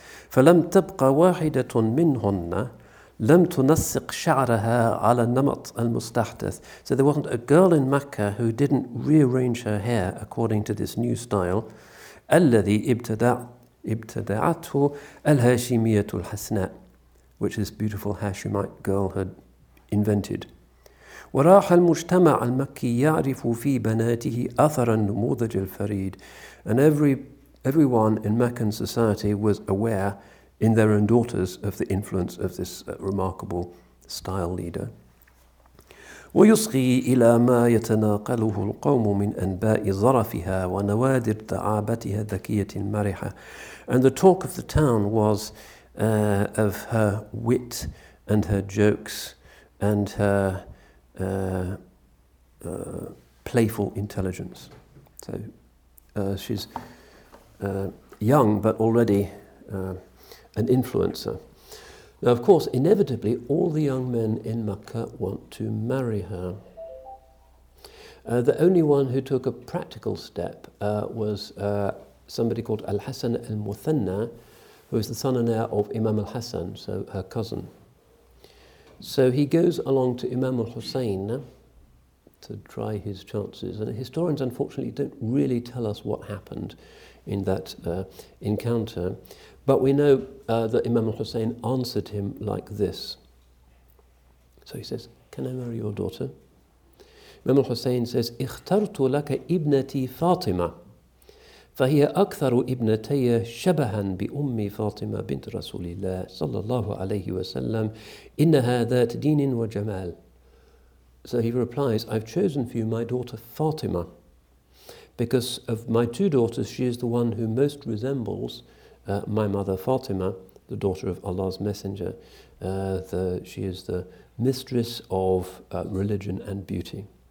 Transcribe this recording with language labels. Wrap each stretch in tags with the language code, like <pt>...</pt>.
<ar>فَلَمْ تَبْقَ وَاحِدَةٌ مِّنْهُنَّ لَمْ تُنَسِّقْ شَعْرَهَا عَلَى النَّمَطِ الْمُسْتَحْدَثِ.</ar> <en>So there wasn't a girl in Mecca who didn't rearrange her hair according to this new style.</en> <ar>الَّذِي ابْتَدَعَتْهُ الْهَاشِمِيَةُ الْحَسْنَاءِ,</ar> <en>which this beautiful Hashemite girl had invented.</en> <ar>وراح المجتمع المكي يعرف في بناته أثر النموذج الفريد.</ar> <en>And everyone in Meccan society was aware in their own daughters of the influence of this remarkable style leader.</en> <ar>ويصغي إلى ما يتناقله القوم من أنباء ظرفها ونوادر تعابتها الذكية المرحة.</ar> <en>And the talk of the town was of her wit and her jokes and her playful intelligence. So she's young but already an influencer. Now, of course, inevitably, all the young men in Makkah want to marry her. The only one who took a practical step was somebody called al-Hassan al-Muthanna, who is the son and heir of Imam al-Hassan, so her cousin. So he goes along to Imam al-Hussein to try his chances. And historians, unfortunately, don't really tell us what happened in that encounter. But we know that Imam al-Hussein answered him like this. So he says, can I marry your daughter? Imam al-Hussein says,</en> <ar>اخترتُ لك ابنتي فاطمة فهي أكثر ابنتي شبها بأمي فاطمة بنت رسول الله صلى الله عليه وسلم إنها ذات دين وجمال.</ar> <en>So he replies, I've chosen for you my daughter Fatima because of my two daughters, she is the one who most resembles my mother Fatima, the daughter of Allah's messenger. She is the mistress of religion and beauty.</en>